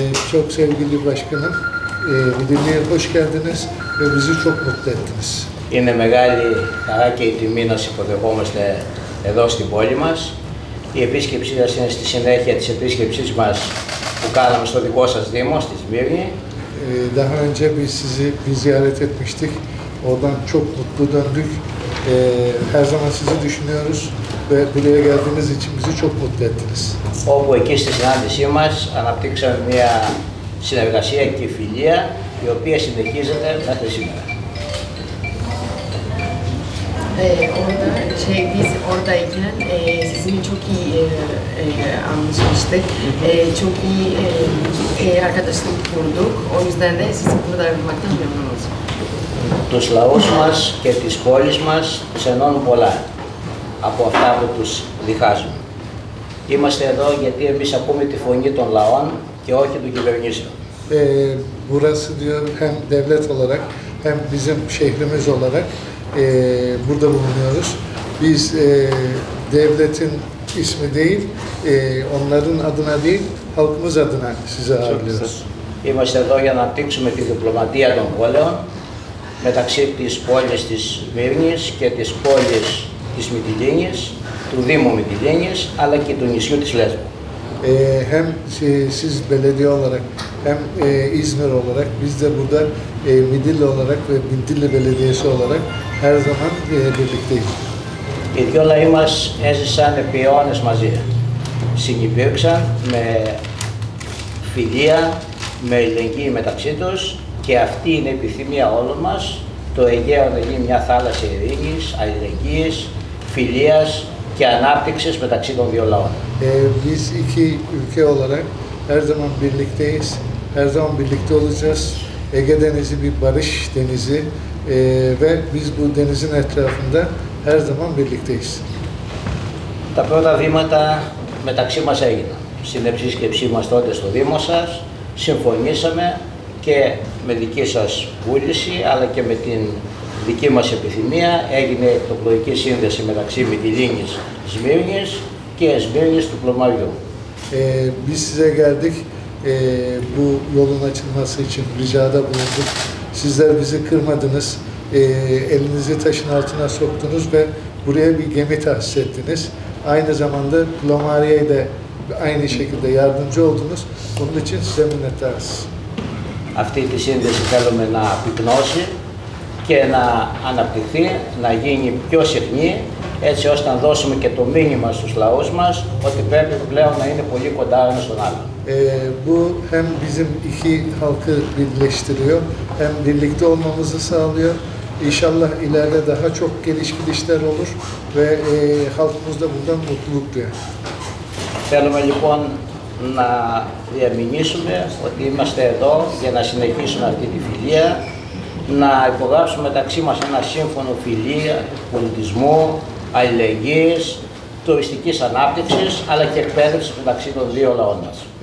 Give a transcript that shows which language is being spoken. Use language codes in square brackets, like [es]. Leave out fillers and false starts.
[el] Ποιο ξέρει κύριε Βασκένα, Μυτιλίνη Ερχοσκέντενες, Ευζήτσο Κροτέντενες. Είναι μεγάλη χαρά και η τιμή να σας υποδεχόμαστε εδώ στην πόλη μας. Η επίσκεψή σας είναι στη συνέχεια της επίσκεψής μας που κάναμε στο δικό σας Δήμο, στη Σμύρνη. [tr] Daha önce biz sizi bir ziyaret etmiştik. Oradan çok mutlu döndük. Her zaman sizi düşünüyoruz ve buraya geldiğiniz için bizi çok mutlu ettiniz. [el] Όπου εκεί στη συνάντησή μας αναπτύξαμε μια συνεργασία και φιλία, η οποία συνεχίζεται μέχρι σήμερα. [tr] Orada biz oradayken sizinle çok iyi anlaşmıştık. Çok iyi arkadaşlık kurduk. O yüzden de sizi burada görmekten memnun oldum. [el] Τους λαούς μας και τις πόλεις μας τους ενώνουν πολλά από αυτά που τους διχάζουν. Είμαστε εδώ γιατί εμείς ακούμε τη φωνή των λαών και όχι του κυβερνήσεων. [tr] Burası diyor hem devlet olarak hem bizim şehrimiz olarak burada bulunuyoruz. Biz devletin ismi değil, onların adına değil, halkımız adına sizi ağırlıyoruz. [el] Είμαστε εδώ για να αναπτύξουμε τη διπλωματία των πόλεων μεταξύ της πόλης της Σμύρνης και της πόλης της Μυτιλίνης, του Δήμου Μυτιλίνης, αλλά και του νησιού της Λέσβου. [tr] Hem siz belediye olarak, hem İzmir olarak, biz de burada Midilli olarak ve Midilli Belediyesi olarak her zaman birlikteyiz. [el] Οι δυο λαοί μας έζησαν επί αιώνες μαζί. Συνυπήρξαν με φιλία, με ελληνική μεταξύ τους, και αυτή είναι η επιθυμία όλων μας, το Αιγαίο να γίνει μια θάλασσα ειρήνης, αλληλεγγύης, φιλίας και ανάπτυξης μεταξύ των δύο λαών. [tr] Biz iki ülke olarak her zaman birlikteyiz, her zaman birlikte olacağız. Ege Denizi bir barış denizi ve biz bu denizin etrafında her zaman birlikteyiz. [el] Τα πρώτα βήματα μεταξύ μας έγιναν. Στην επίσκεψή μας τότε στο Δήμο σας, συμφωνήσαμε και με δική σας βούληση, αλλά και με την δική μας επιθυμία, έγινε η εκτοπλοϊκή σύνδεση μεταξύ Μυτιλίνης Σμύρνης και Σμύρνης του Πλωμαριού. [tr] Biz size geldik, bu yolun açılması için ricada bulunduk. Sizler bizi kırmadınız, elinizi taşın altına soktunuz ve buraya bir gemi tahsis ettiniz. Aynı zamanda Plomari'ye de aynı şekilde yardımcı oldunuz. Bunun için size minnettarız. [el] Αυτή τη σύνδεση θέλουμε να πυκνώσει και να αναπτυχθεί, να γίνει πιο συχνή, έτσι ώστε να δώσουμε και το μήνυμα στους λαούς μας ότι πρέπει πλέον να είναι πολύ κοντά ένα στον άλλο. [tr] Bu hem bizim iki halkı birleştiriyor, hem birlikte olmamızı sağlıyor. İnşallah ileride daha çok gelişmişler olur ve halkımız da buradan mutluluk duyar. [el] Θέλουμε λοιπόν να διαμηνήσουμε ότι είμαστε εδώ για να συνεχίσουμε αυτή τη φιλία, να υπογράψουμε μεταξύ μας ένα σύμφωνο φιλία, πολιτισμού, αλληλεγγύης, τουριστικής ανάπτυξης, αλλά και εκπαίδευσης μεταξύ των δύο λαών μας.